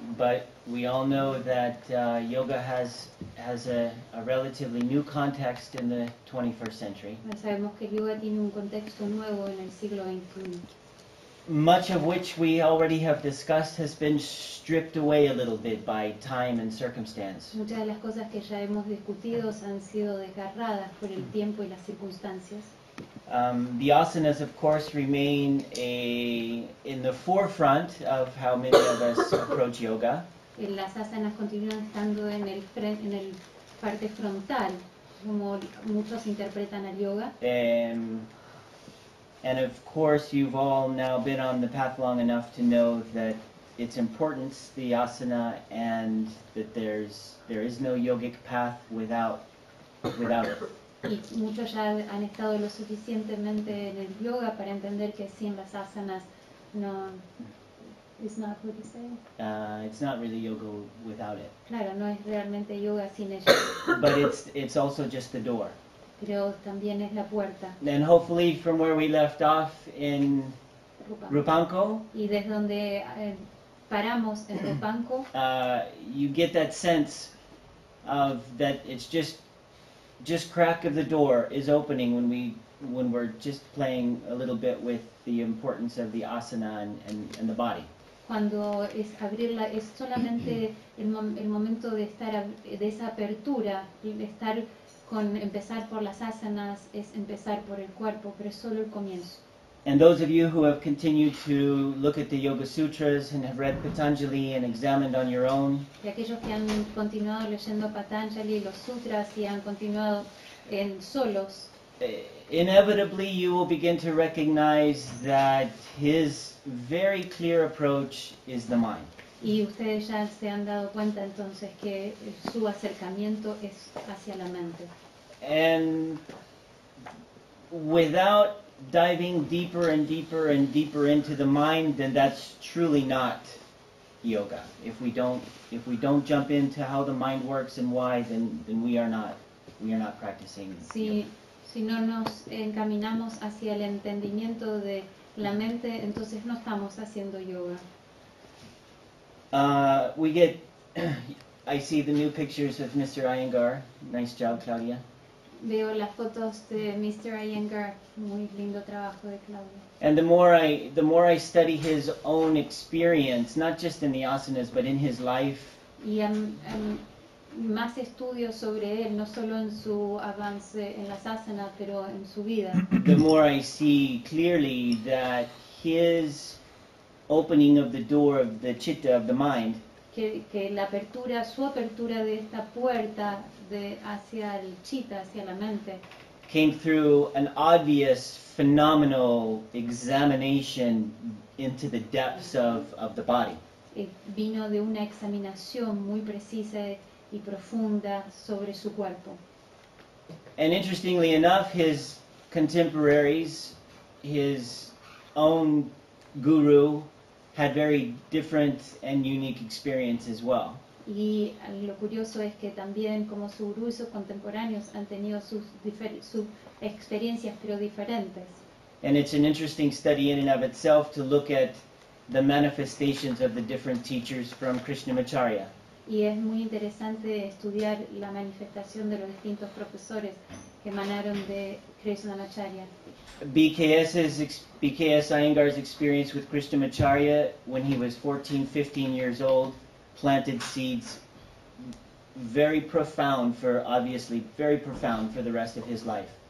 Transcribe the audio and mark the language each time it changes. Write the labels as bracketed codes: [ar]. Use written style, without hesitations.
[en] But we all know that yoga has a relatively new context in the 21st century. [es] Pero sabemos que yoga tiene un contexto nuevo en el siglo XXI. [en] Much of which we already have discussed has been stripped away a little bit by time and circumstance. [es] Muchas de las cosas que ya hemos discutido han sido desgarradas por el tiempo y las circunstancias. [en] The asanas, of course, remain in the forefront of how many of us approach yoga. [es] Las asanas continúan estando en el parte frontal, como muchos interpretan al yoga. [en] And of course, you've all now been on the path long enough to know that its importance, the asana, and that there is no yogic path without it. [es] Y muchos ya han estado lo suficientemente en el yoga para entender que sin las asanas no, [en] it's not what you say. It's not really yoga without it. [es] Claro, no es realmente yoga sin ella. [en] But it's also just the door. [es] Pero también es la puerta. [en] And hopefully from where we left off in Rupanco. [es] Y desde donde paramos en Rupanco. [en] You get that sense of that it's just crack of the door is opening when we're just playing a little bit with the importance of the asana and the body. [es] Cuando es abrirla es solamente el momento de estar de esa apertura y de estar con empezar por las asanas es empezar por el cuerpo, pero es solo el comienzo. [en] And those of you who have continued to look at the Yoga Sutras and have read Patanjali and examined on your own. [es] Y aquellos que han continuado leyendo Patanjali y los sutras y han continuado en solos. [en] Inevitably, you will begin to recognize that his very clear approach is the mind. [es] Y ustedes ya se han dado cuenta entonces que su acercamiento es hacia la mente. [en] And without diving deeper and deeper and deeper into the mind, then that's truly not yoga. If we don't jump into how the mind works and why, then we are not practicing yoga. [es] Si no nos encaminamos hacia el entendimiento de la mente, entonces no estamos haciendo yoga. [en] We get, I see the new pictures of Mr. Iyengar. Nice job, Claudia. [es] Veo las fotos de Mr. Iyengar. Muy lindo trabajo de Claudia. [en] And the more I study his own experience, not just in the asanas, but in his life. [es] Y más estudio sobre él, no solo en su avance en las asanas, pero en su vida. [en] The more I see clearly that his opening of the door of the chitta of the mind. [es] Que la apertura, su apertura de esta puerta de hacia el chitta, hacia la mente. [en] Came through an obvious, phenomenal examination into the depths of the body. [es] Vino de una examinación muy precisa y profunda sobre su cuerpo. [en] And interestingly enough, his contemporaries, his own guru, had very different and unique experience as well. [es] Y lo curioso es que también como su gurú y sus contemporáneos han tenido sus experiencias pero diferentes. [en] And it's an interesting study in and of itself to look at the manifestations of the different teachers from Krishnamacharya. [es] Y es muy interesante estudiar la manifestación de los distintos profesores que emanaron de Krishnamacharya. [en] BKS Iyengar's experience with Krishnamacharya when he was 14, 15 years old planted seeds very profound for the rest of his life.